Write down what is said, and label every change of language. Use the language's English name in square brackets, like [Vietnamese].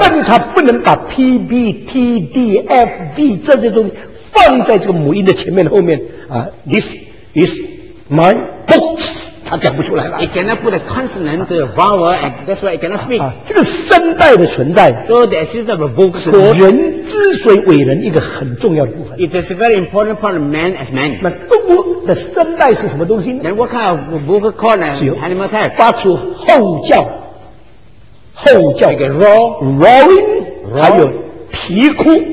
[Chinese] 但它不能把 P, B, T, D, F, V 这些东西放在这个母音的前面后面、 [English] This is my books [Chinese] 它讲不出来了 [English] It cannot put a consonant to the vowel and that's why it cannot speak [Chinese] 这个声带的存在 [English] So the existence of a vocal cord [Chinese] 人之所以伟人一个很重要的部分 [English] It is a very important part of man as man. [Chinese] 那动物的声带是什么东西呢 [English] Then what kind of vocal cord and animals have? [Chinese] 发出吼叫吼叫 [English] Like a roar [Chinese] Roaring 还有啼哭